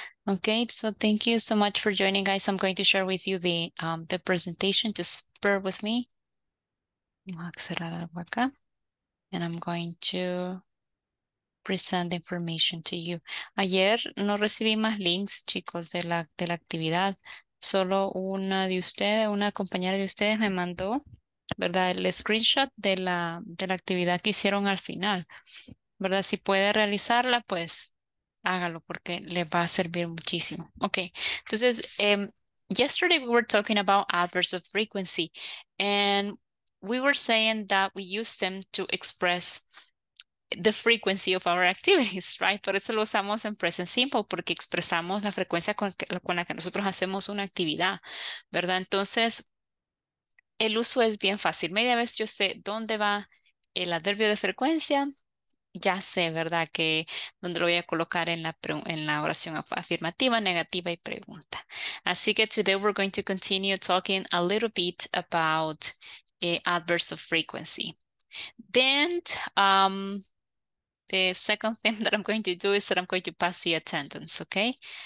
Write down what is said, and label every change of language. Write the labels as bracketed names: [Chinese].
[English] Okay, so thank you so much for joining, guys. I'm going to share with you the presentation. Just bear with me. [Spanish] Voy a cerrar algo acá. [English] And I'm going to present the information to you. [Spanish] Ayer no recibí más links, chicos, de la actividad. Solo una de ustedes, una compañera de ustedes me mandó, ¿verdad? El screenshot de la actividad que hicieron al final, ¿verdad? Si puede realizarla, pues hágalo porque le va a servir muchísimo. [English] Okay. Entonces, yesterday we were talking about adverbs of frequency, and we were saying that we use them to express the frequency of our activities, right? [Spanish] Por eso lo usamos en present simple, porque expresamos la frecuencia con la que nosotros hacemos una actividad, ¿verdad? Entonces, el uso es bien fácil. Media vez yo sé dónde va el adverbio de frecuencia, ya sé, ¿verdad? Que dónde lo voy a colocar en la oración afirmativa, negativa y pregunta. Así que [English] today we're going to continue talking a little bit about adverbs of frequency. Then, the second thing that I'm going to do is that I'm going to pass the attendance, okay?